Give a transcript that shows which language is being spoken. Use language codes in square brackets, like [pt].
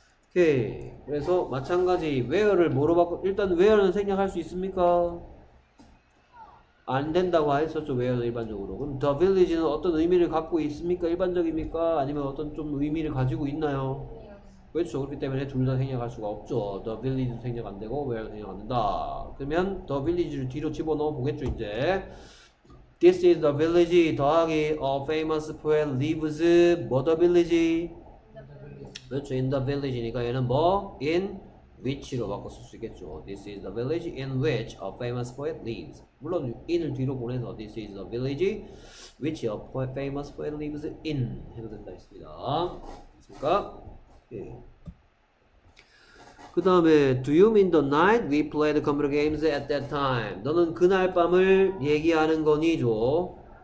[ko] Okay. 그래서 마찬가지 where를 뭐로 바꿔? 일단 where는 생략할 수 있습니까? 안 된다고 했었죠. Where는 일반적으로. 그럼 the village는 어떤 의미를 갖고 있습니까? 일반적입니까? 아니면 어떤 좀 의미를 가지고 있나요? 그렇죠. 그렇기 때문에 둘 다 생략할 수가 없죠. The village도 생략 안 되고 where도 생략 안 된다. 그러면 the village를 뒤로 집어넣어 보겠죠. [en] 이제 This is the village 더하기 a famous poet lives what the village? 그렇죠. In the village니까 얘는 뭐? In [ko] which로 바꿔 쓸 수 있겠죠. [en] This is the village in which a famous poet lives. [ko] 물론 in을 뒤로 보내서 this is the village which a poet, famous poet lives in 해도 된다 했습니다. 됐습니까? 예. [en] 그 다음에 Do you mean the night we played computer games at that time? [ko] 너는 그날 밤을 얘기하는 거니죠?